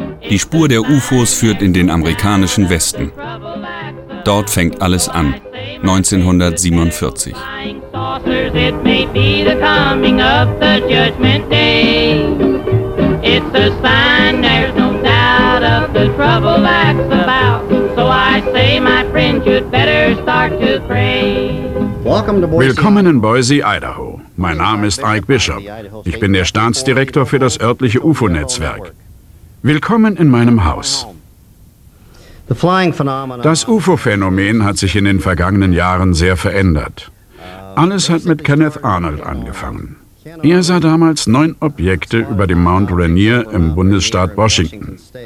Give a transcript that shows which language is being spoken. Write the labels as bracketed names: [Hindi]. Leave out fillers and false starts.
[German] Die Spur der UFOs führt in den amerikanischen Westen. Dort fängt alles an, 1947. [English] It may be the coming of the judgment day. It's a sign, there's no doubt, of the trouble that's about. So I say, my friends, you'd better start to pray. [German] Willkommen in Boise, Idaho. Mein Name ist Ike Bishop. Ich bin der Staatsdirektor für das örtliche UFO-Netzwerk. Willkommen in meinem Haus. Das UFO-Phänomen hat sich in den vergangenen Jahren sehr verändert. Alles hat mit Kenneth Arnold angefangen. Er sah damals 9 Objekte über dem Mount Rainier im Bundesstaat Washington.